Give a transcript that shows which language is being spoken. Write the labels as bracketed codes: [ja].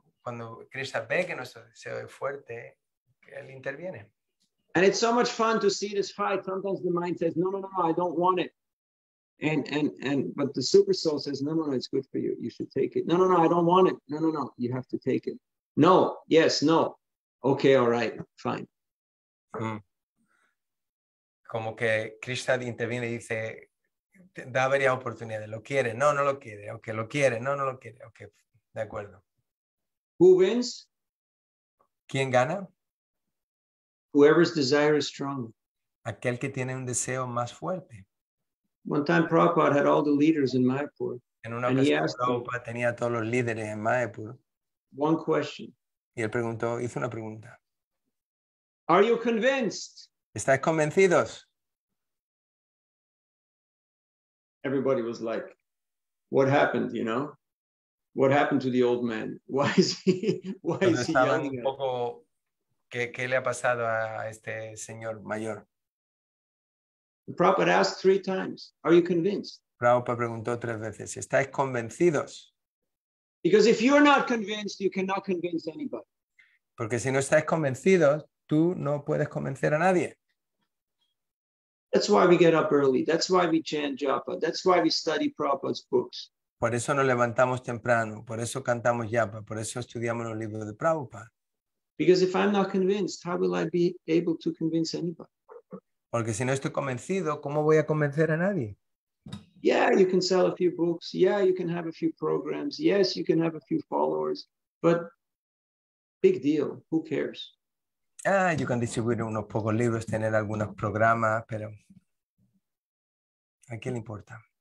[es] Cuando Krishna ve que nuestro deseo es fuerte, él interviene. [en] And it's so much fun to see this fight. Sometimes the mind says, no, I don't want it. But the super soul says, no, it's good for you. You should take it. No, I don't want it. No, you have to take it. No, yes, no. Okay, all right, fine. Mm. [es] Como que Krishna interviene y dice, da varias oportunidades. Lo quiere, no lo quiere. Okay, lo quiere, no lo quiere. Okay, de acuerdo. [en] Who wins? [es] ¿Quién gana? [en] Whoever's desire is stronger. [es] Aquel que tiene un deseo más fuerte. [en] One time Prabhupada had all the leaders in Mayapur. [es] En una ocasión Prabhupada tenía todos los líderes en Mayapur. [en] One question. [es] Y él preguntó, hizo una pregunta. [en] Are you convinced? [es] ¿Estáis convencidos? [en] Everybody was like, what happened, you know? What happened to the old man? Why is he yelling? [es] Un poco, ¿qué le ha pasado a este señor mayor? [en] The Prabhupada asked three times, are you convinced? [es] Prabhupada preguntó tres veces, ¿estáis convencidos? [en] Because if you're not convinced, you cannot convince anybody. [es] Porque si no estáis convencidos, tú no puedes convencer a nadie. [en] That's why we get up early. That's why we chant japa. That's why we study Prabhupada's books. [es] Por eso nos levantamos temprano, por eso cantamos japa, por eso estudiamos los libros de Prabhupada. [en] Because if I'm not convinced, how will I be able to convince anybody? [es] Porque si no estoy convencido, ¿cómo voy a convencer a nadie? [en] Yeah, you can sell a few books. Yeah, you can have a few programs. Yes, you can have a few followers. But big deal, who cares? Ah, you can [es] distribuir unos pocos libros, tener algunos programas, pero ¿a quién le importa?